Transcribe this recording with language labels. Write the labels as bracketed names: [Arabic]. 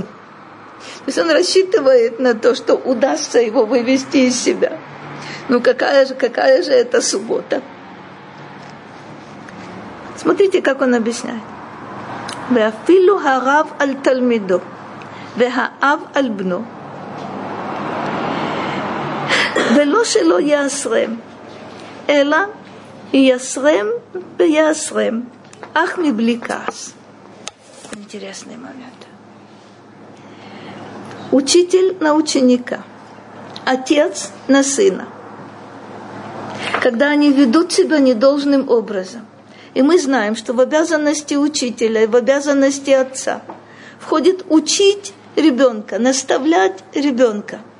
[Russian] То есть он рассчитывает на то, что удастся его вывести из себя. Ну какая же это суббота? Смотрите, как он объясняет. [Hebrew] «Веафилу харав аль тальмидо, вехаав аль бно». ולא שלא יעשרם, אלא יעשרם ויעשרם, אך מבלי כעס. [Russian] Интересный момент. Учитель на ученика, отец на сына. Когда они ведут себя недолжным образом, и мы знаем, что в обязанности учителя, в обязанности отца входит учить ребенка, наставлять ребенка.